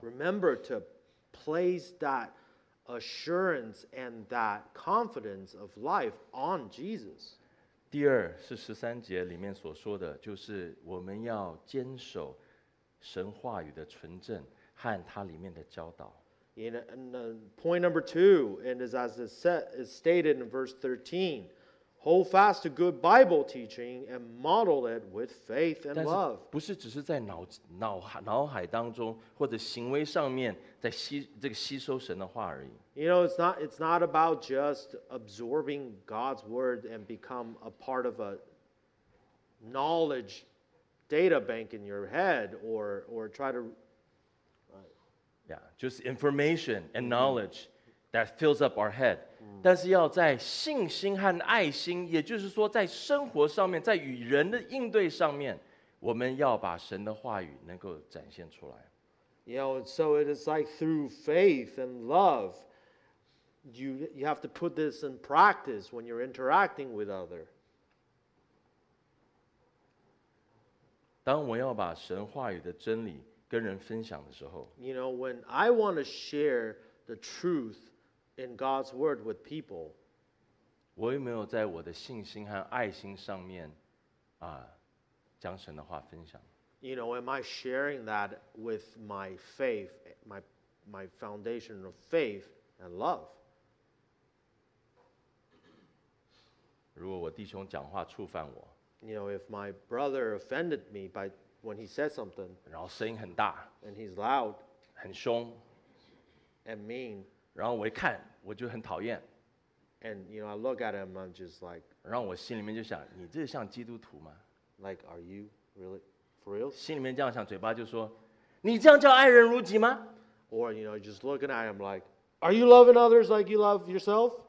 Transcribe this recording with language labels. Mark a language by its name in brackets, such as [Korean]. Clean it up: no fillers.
[English] Remember to place that assurance and that confidence of life on Jesus. [Chinese] 第二是十三节里面所说的，就是我们要坚守神话语的纯正和他里面的教导。 [English] Point number two, and is stated in verse 13. Hold fast to good Bible teaching and model it with faith and love. [Chinese] 不是只是在脑海当中或者行为上面在吸收神的话而已。 [English] You know, it's not about just absorbing God's word and become a part of a knowledge data bank in your head or try to. Yeah, just information and knowledge. That fills up our head. [Chinese] 但是要在信心和爱心，也就是说在生活上面，在与人的应对上面，我们要把神的话语能够展现出来。 [English] You know, so it is like through faith and love, you have to put this in practice when you're interacting with others. [Chinese] 当我要把神话语的真理跟人分享的时候， [English] You know, when I want to share the truth,In God's word with people, [Chinese] 我有没有在我的信心和爱心上面啊，将神的话分享 [English] ？You know, am I sharing that with my faith, my foundation of faith and love? [Chinese] 如果我弟兄讲话触犯我 [English] ，You know, if my brother offended me by when he said something, [Chinese] 然后声音很大 [English] ，and he's loud, [Chinese] 很凶 [English] ，and mean. [Chinese] 然后我一看，我就很讨厌。 [English] And you know, I look at him, I'm just like. [Chinese] 然后我心里面就想，你这像基督徒吗 [English] ？Like, are you really for real? [Chinese] 心里面这样想，嘴巴就说，你这样叫爱人如己吗 [English] ？Or you know, just looking at him like, are you loving others like you love yourself?